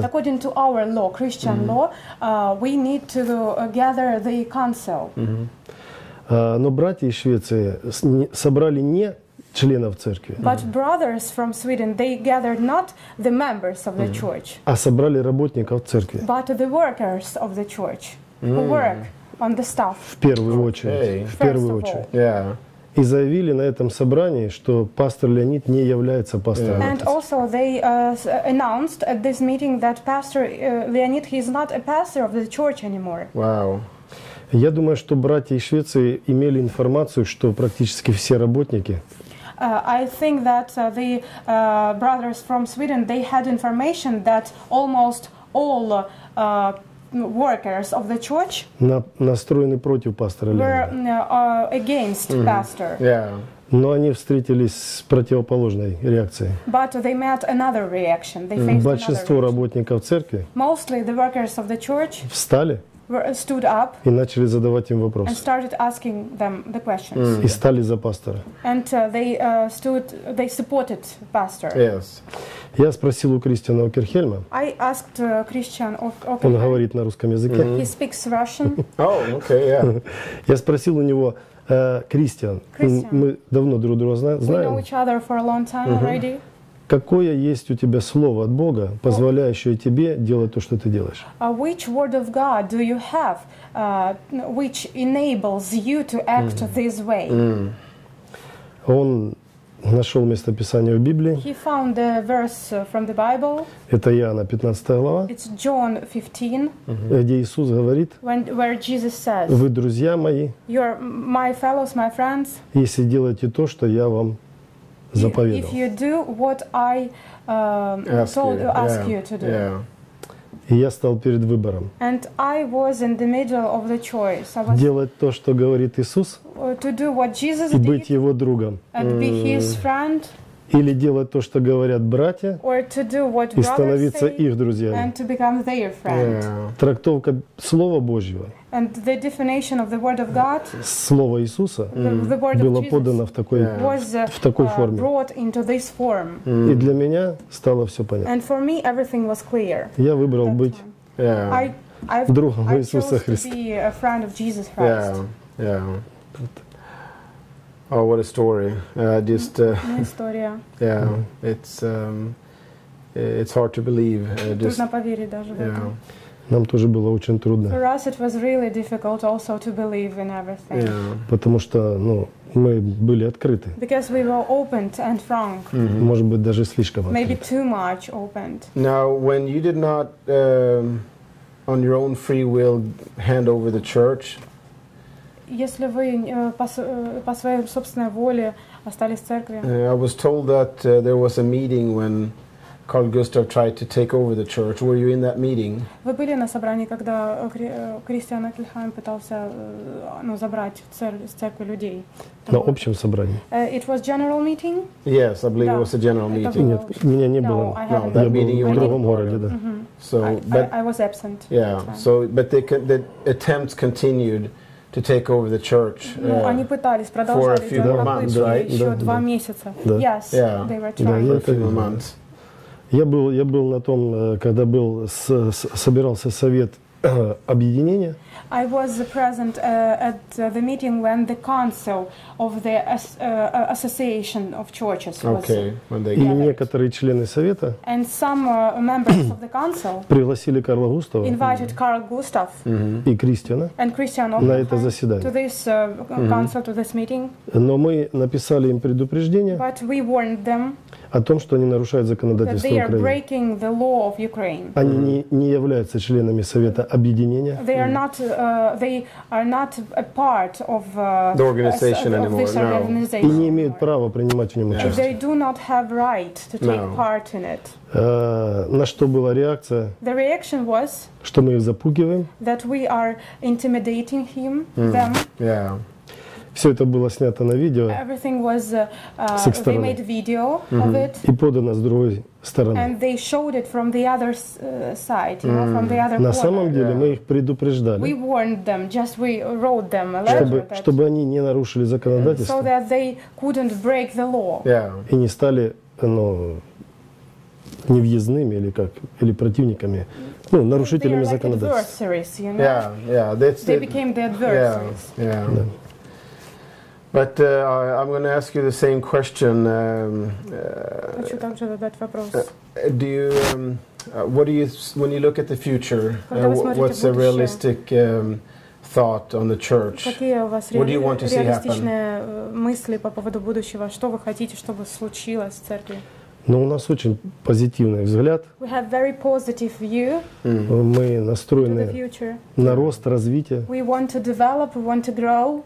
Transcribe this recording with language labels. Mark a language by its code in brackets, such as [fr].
[en] According to our law, Christian law, we need to gather the council. [ru] Но братья из Швеции собрали не членов церкви. [en] But brothers from Sweden, they gathered not the members of the church. [ru] А собрали работников церкви. [en] But the workers of the church who work on the staff. [ru] В первую очередь. Okay. В первую очередь. [en] Yeah. [ru] И заявили на этом собрании, что пастор Леонид не является пастором. [en] Yeah. And also they announced at this meeting that pastor Leonid he is not a pastor of the church anymore. Wow. [ru] Я думаю, что братья из Швеции имели информацию, что практически все работники. [en] I think that the brothers from Sweden they had information that almost all workers of the church [ru] настроены против пастора Леонида. [en] Were against pastor. Yeah. [ru] Но они встретились с противоположной реакцией. [en] But they met another reaction. They faced [ru] большинство [en] another [ru] работников церкви. [en] Mostly the workers of the church. [ru] Встали. [en] Stood up [ru] и начали задавать им вопросы. [en] And started asking them the questions. [ru] И стали за пастора. [en] And they supported pastor. Yes. [ru] Я спросил у Кристиана Окерхельма. [en] I asked Christian Okerhelm. [ru] Он говорит на русском языке. [en] He speaks Russian. Oh, okay, yeah. [ru] Я спросил у него, Кристиан, мы давно друг друга знаем. [en] We know each other for a long time already. [ru] Какое есть у тебя слово от Бога, позволяющее тебе делать то, что ты делаешь? [en] Which word of God do you have, which enables you to act this way? [ru] Он нашел место Писания в Библии. [en] He found a verse from the Bible. [ru] Это Иоанна, 15 глава. [en] It's John 15. [ru] Uh-huh. Где Иисус говорит, [en] where Jesus says, [ru] вы друзья мои, [en] you're my fellows, my friends, [ru] если делаете то, что я вам заповедовал. [en] If you do what I ask you to do. Yeah. [ru] И я стал перед выбором. [en] And I was in the middle of the choice. I was [ru] делать то, что говорит Иисус, [en] to do what Jesus [ru] и быть [en] did, [ru] Его другом. [en] And be his friend, [ru] или делать то, что говорят братья, [en] or to do what [ru] и становиться [en] say, [ru] их друзьями. [en] And to become their friend. Yeah. [ru] Трактовка Слова Божьего, [en] and the definition of the word of God, [ru] Слово Иисуса, [en] the word of [ru] было [en] Jesus [ru] подано в такой, [en] yeah, was, [ru] в такой форме. [en] Brought into this form. Mm. [ru] И для меня стало все понятно. [en] And for me everything was clear. [ru] Я выбрал быть, [en] yeah, [ru] другом Иисуса Христа. [en] I chose to be a friend of Jesus Christ. Yeah. Yeah. Oh, what a story. [ru] История. [en] Yeah. Mm-hmm. It's hard to believe. [ru] Трудно поверить даже в это. Нам тоже было очень трудно. [en] For us it was really difficult also to believe in everything. Yeah. [ru] Потому что, ну, мы были открыты. [en] Because we were open and frank. Mm-hmm. [ru] Может быть, даже слишком открыты. [en] Maybe too much opened. Now, when you did not on your own free will hand over the church, [ru] если вы по своей собственной воле остались в церкви. [en] I was told that there was a meeting when Carl-Gustaf tried to take over the church. Were you in that meeting? [ru] Вы были на собрании, когда Кристиан Экельхайм пытался, ну, забрать с церкви людей? На общем собрании. [en] It was general meeting? Yes, I believe, yeah, it was a general meeting. [ru] Нет, меня не было. [en] No, that [ru] я [en] meeting [ru] был в другом городе, да. Mm-hmm. [en] So, I was absent. Yeah. So, but the attempts continued to take over the church. [ru] Они пытались продолжать эту попытку еще два месяца. [en] Yes, they were trying. For a few months. [ru] Я был на том, когда был собирался совет объединения. [en] I was present at the meeting when the council of the association of churches was. Okay, when they gathered. [ru] И некоторые члены совета. [en] And some members of the council [ru] пригласили Карла Густава. [en] Invited Carl Gustaf. [ru] И Кристиана. [en] And Christian [ru] на это заседание. [en] To this council, to this meeting. [ru] Но мы написали им предупреждение. [en] But we warned them. [ru] О том, что они нарушают законодательство [en] they are [ru] Украины. [en] Breaking the law of Ukraine. [ru] Они не являются членами Совета Объединения. [en] They are not, they are not a part of the organization anymore. Of this organization. No. [ru] И не имеют права принимать в нем участие. [en] They do not have right to take part in it. [ru] На что была реакция? [en] The reaction was, [ru] что мы их запугиваем. [en] That we are intimidating him, them. Yeah. [ru] Все это было снято на видео. [en] Everything was [ru] с их стороны. [en] They made video of it. [ru] И подано с другой стороны. [en] And they showed it from the other side, you know, from the other. [ru] На [en] corner. [ru] Самом деле, yeah, мы их предупреждали. [en] We warned them, just we wrote them a letter. [ru] Чтобы они не нарушили законодательство. [en] So that they couldn't break the law. Yeah. [ru] И не стали, ну, невъездными или как, или противниками, ну, нарушителями законодательства. [en] They are like adversaries, you know. Yeah, yeah. That's they became the adversaries. Yeah, yeah. Да. But I'm going to ask you the same question. [ru] Хочу также задать вопрос. [en] Do you, what do you, when you look at the future, what's a realistic thought on the church? [ru] Какие у вас реалистичные мысли по поводу будущего? Что вы хотите, чтобы случилось в церкви? Ну, у нас очень позитивный взгляд. [en] We have very positive view. [ru] Мы настроены на рост, развитие. [en] We want to develop, we want to grow.